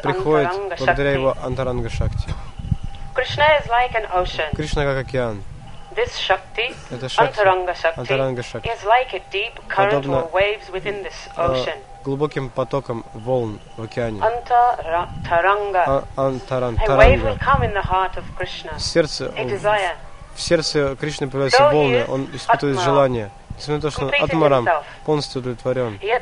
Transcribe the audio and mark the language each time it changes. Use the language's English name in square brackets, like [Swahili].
[Russian] приходит благодаря его антаранга шакти. [English] Krishna is like an ocean. [Russian] Кришна как океан. [English] This shakti, [Russian] эта шакти, [English] антаранга шакти, is like a deep current [Russian] подобно [English] or waves within this ocean. [Russian] Глубоким потоком волн в океане. [English] Antaranga. A wave will come in the heart of Krishna. [Russian] В сердце Кришны появляются волны, он испытывает желание. Несмотря на то, что Атмарам полностью удовлетворен.